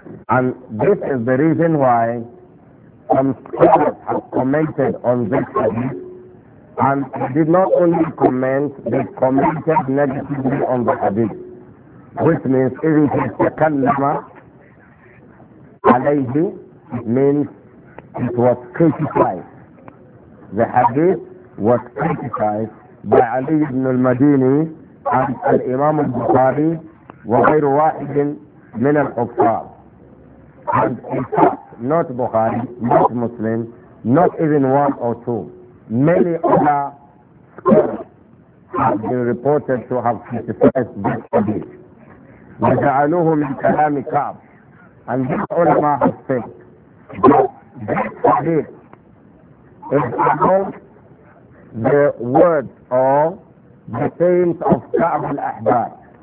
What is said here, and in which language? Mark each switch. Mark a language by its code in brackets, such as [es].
[en] And this is the reason why some scholars have commented on this hadith, and did not only comment, they commented negatively on the hadith. Which means, isn't it [ar] takallama alayhi, [en] means it was criticized. The hadith was criticized [ar] بعلي بن المديني عن الامام البخاري وغير واحد من الحفاظ. [en] And in fact, not Bukhari, not Muslim, not even one or two. Many other scholars have been reported to have criticized this hadith. [ar] وَجَعَلُوهُ مِنْ كَلَامِ كَعْبِ. [en] And this ulama has said that this hadith is about the words or the sayings of Ka'b al-Ahbar.